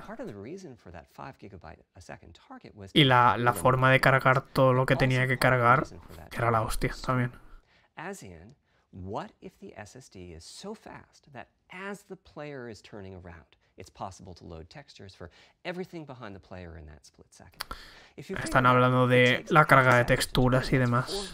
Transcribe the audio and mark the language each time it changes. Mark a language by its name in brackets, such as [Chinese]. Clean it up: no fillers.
[English] Part of the reason for that 5 gigabyte a second target was... [Spanish] Y la forma de cargar todo lo que tenía que cargar, que era la hostia también. [English] As in, What if the SSD is so fast that as the player is turning around, it's possible to load textures for everything behind the player in that split second? [Spanish] Están hablando de la carga de texturas y demás.